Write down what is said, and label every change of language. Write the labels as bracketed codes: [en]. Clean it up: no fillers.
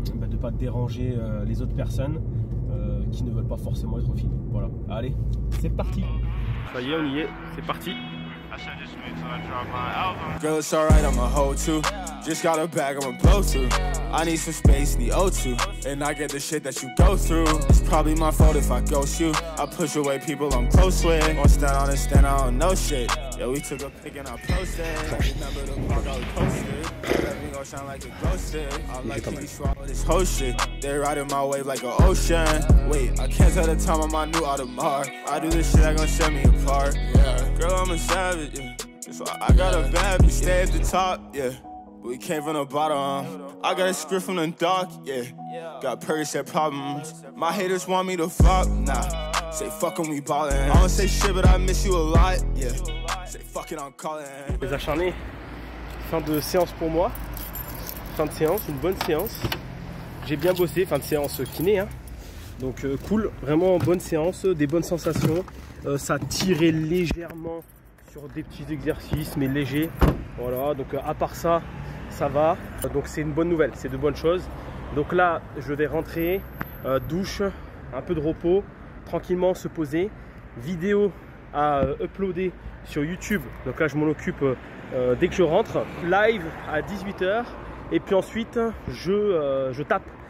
[fr] De pas déranger les autres personnes qui ne veulent pas forcément être filmées. Voilà, allez, c'est parti. Ça y est, on y est, c'est parti. [en] Girl, it's alright, I'm a hoe too. Just got a bag, I'm a blow too. I need some space in the O2. And I get the shit that you go through. It's probably my fault if I ghost you. I push away people I'm close with. Gonna stand on and stand on no shit. Yo, we took a pic and I posted. Remember the part I was posted. Sound like a ghost, I like this whole shit. They're riding my wave like an ocean. Wait, I can't tell the time on my new Audemars. I do this shit, that gonna set me apart. Yeah, girl, I'm a savage. Yeah. So I got a bad, we stay at the top. Yeah, we came from the bottom. I got a script from the dark. Yeah, got Percocet problems. My haters want me to flop. Nah, say fuck when we ballin'. I don't say shit, but I miss you a lot. Yeah, say fuck it, I'm calling. [fr] Les acharnés. Fin de séance pour moi, fin de séance, une bonne séance, j'ai bien bossé, fin de séance kiné, hein. Donc cool, vraiment bonne séance, des bonnes sensations, ça tirait légèrement sur des petits exercices, mais léger, voilà, donc à part ça, ça va, donc c'est une bonne nouvelle, c'est de bonnes choses, donc là, je vais rentrer, douche, un peu de repos, tranquillement se poser, vidéo à uploader sur YouTube, donc là, je m'en occupe, dès que je rentre, live à 18h et puis ensuite je tape.